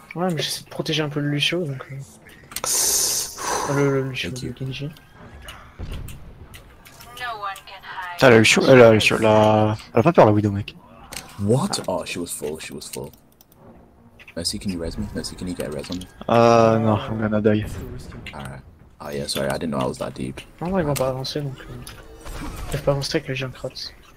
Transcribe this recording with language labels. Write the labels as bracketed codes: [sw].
[fr] Ouais, mais j'essaie de protéger un peu le Lucio donc. Le Lucio, le Genji. T'as la Lucio, la. Elle a pas peur la Widow, mec. [en] What? Oh, she was full. Mercy, can you res me? Mercy, can you get a res on me? Non, I'm gonna die. Alright. Oh, yeah, sorry, I didn't know I was that deep. [fr] Non, ils vont pas avancer donc. Ils peuvent pas avancer avec les Junkrats.